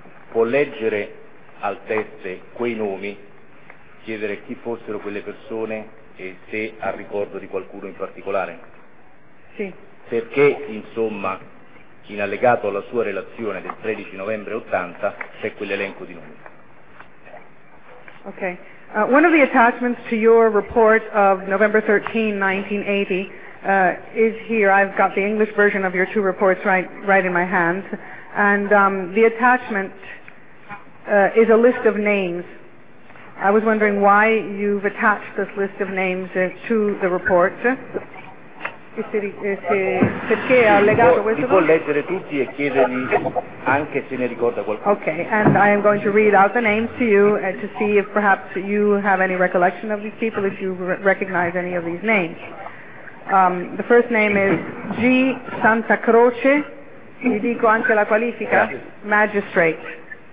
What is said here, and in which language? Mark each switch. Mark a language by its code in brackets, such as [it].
[it] Può leggere al Tezze quei nomi, chiedere chi fossero quelle persone e se ha ricordo di qualcuno in particolare? Sì. Perché, insomma, in allegato alla sua relazione del 13 novembre 80 c'è quell'elenco di nomi? Ok. [en] One of the attachments to your report of November 13, 1980, is here. I've got the English version of your two reports right in my hands. And the attachment is a list of names. I was wondering why you've attached this list of names to the report. [it] Perché ha legato questo documento? Può leggere tutti e chiedermi anche se ne ricorda qualcuno. [en] Okay, and I am going to read out the names to you to see if perhaps you have any recollection of these people, if you recognize any of these names. The first name is G. [it] Santa Croce, vi dico anche la qualifica, magistrate.